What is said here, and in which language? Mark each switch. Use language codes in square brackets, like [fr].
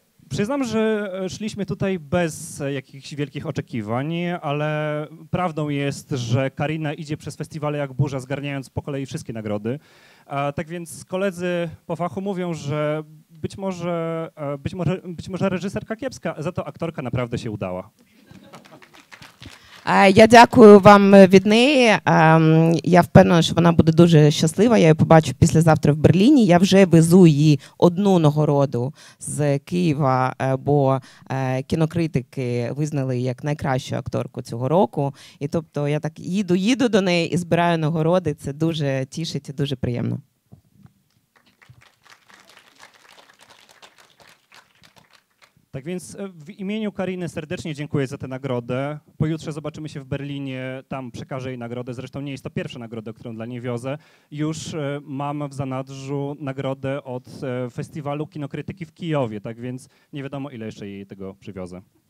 [pl] Przyznam, że szliśmy tutaj bez jakichś wielkich oczekiwań, ale prawdą jest, że Karina idzie przez festiwale jak burza, zgarniając po kolei wszystkie nagrody. Tak więc koledzy po fachu mówią, że być może reżyserka kiepska, za to aktorka naprawdę się udała. [uk] Я дякую вам від неї. Я впевнена, що вона буде дуже щаслива. Я її побачу післязавтра в Берліні. Я вже везу їй одну нагороду з Києва, бо кінокритики визнали її як найкращу акторку цього року. І тобто я так їду до неї і збираю нагороди. Це дуже тішить і дуже приємно. [pl] Tak więc w imieniu Kariny serdecznie dziękuję za tę nagrodę. Pojutrze zobaczymy się w Berlinie, tam przekażę jej nagrodę. Zresztą nie jest to pierwsza nagroda, którą dla niej wiozę. Już mam w zanadrzu nagrodę od Festiwalu Kinokrytyki w Kijowie, tak więc nie wiadomo, ile jeszcze jej tego przywiozę.